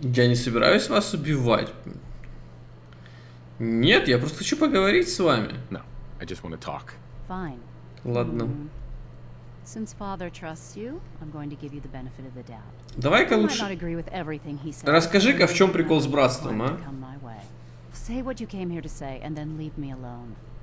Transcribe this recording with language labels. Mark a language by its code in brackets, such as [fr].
[ru] Я не собираюсь вас убивать. Нет, я просто хочу поговорить с вами. [en] No, I just want to talk. Fine. [ru] Ладно. [en] Since father trusts you, I'm going to give you the benefit of the doubt. [ru] Давай-ка лучше. Расскажи-ка, в чем прикол с братством, а? [en] Say what you came here to say and then leave me alone.